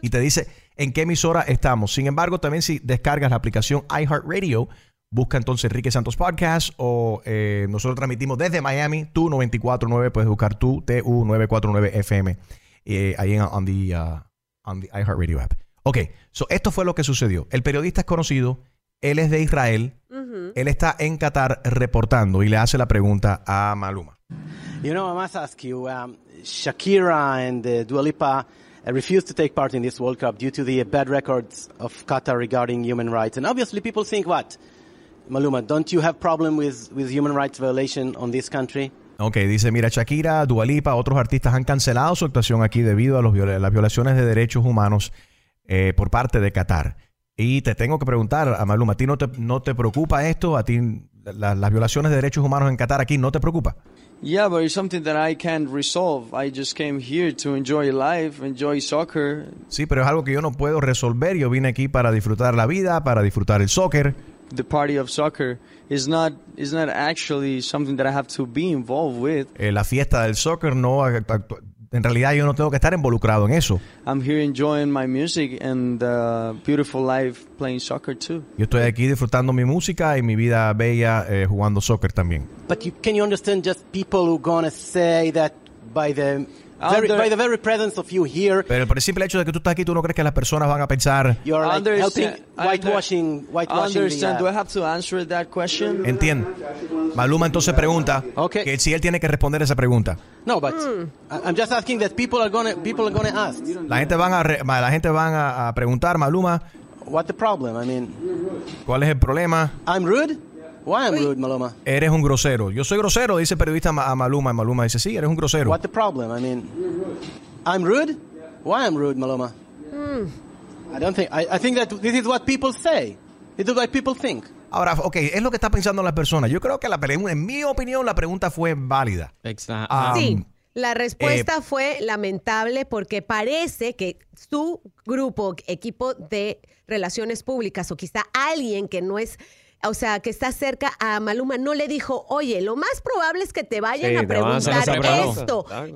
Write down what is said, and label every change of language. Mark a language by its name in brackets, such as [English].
[Spanish] Y te dice en qué emisora estamos. Sin embargo, también si descargas la aplicación iHeartRadio, busca entonces Enrique Santos Podcast o nosotros transmitimos desde Miami, Tu 94.9, puedes buscar Tu 949 FM ahí [English] on the iHeartRadio app. Ok, so [Spanish] esto fue lo que sucedió. El periodista es conocido, él es de Israel, uh-huh. él está en Qatar reportando y le hace la pregunta a Maluma. [English] You know, I must ask you, Shakira and Dua Lipa refused to take part in this World Cup due to the bad records of Qatar regarding human rights. And obviously people think what? Maluma, don't you have problem with human rights violation on this country? [Spanish] Okay, dice, mira, Shakira, Dua Lipa, otros artistas han cancelado su actuación aquí debido a las violaciones de derechos humanos por parte de Qatar. Y te tengo que preguntar, a Maluma, ¿a ti no te preocupa esto? ¿A ti las violaciones de derechos humanos en Qatar aquí no te preocupa? [English] Yeah, but it's something that I can't resolve. I just came here to enjoy life, enjoy soccer. [Spanish] Sí, pero es algo que yo no puedo resolver. Yo vine aquí para disfrutar la vida, para disfrutar el soccer. [English] The party of soccer is not actually something that I have to be involved with. [Spanish] La fiesta del soccer no. En realidad, yo no tengo que estar involucrado en eso. [English] I'm here enjoying my music and the beautiful life playing soccer too. [Spanish] Yo estoy aquí disfrutando mi música y mi vida bella jugando soccer también. [English] But can you understand just people who gonna say that by the by the very presence of you here. [Spanish] Pero por el simple hecho de que tú estás aquí, tú no crees que las personas van a pensar. [English] You're like helping whitewashing. Understand? Do I have to answer that question? [Spanish] Entiendo. Maluma entonces pregunta que si él tiene que responder esa pregunta. [English] No, but I'm just asking that people are gonna ask. [Spanish] La gente van a preguntar, Maluma. [English] What the problem? I mean, [Spanish] ¿cuál es el problema? [English] I'm rude. Why I'm rude, Maluma? [Spanish] Eres un grosero. Yo soy grosero, dice el periodista a Maluma. Y Maluma dice, sí, eres un grosero. [English] What the problem? I mean, I'm rude? Why I'm rude, Maluma? I don't think, I think that this is what people say. This is what people think. [Spanish] Ahora, ok, es lo que está pensando la persona. Yo creo que la pregunta, en mi opinión, la pregunta fue válida. Exacto. Sí. La respuesta fue lamentable porque parece que su grupo, equipo de relaciones públicas o quizá alguien que no es, o sea, que está cerca a Maluma, no le dijo, oye, lo más probable es que te vayan a preguntar esto.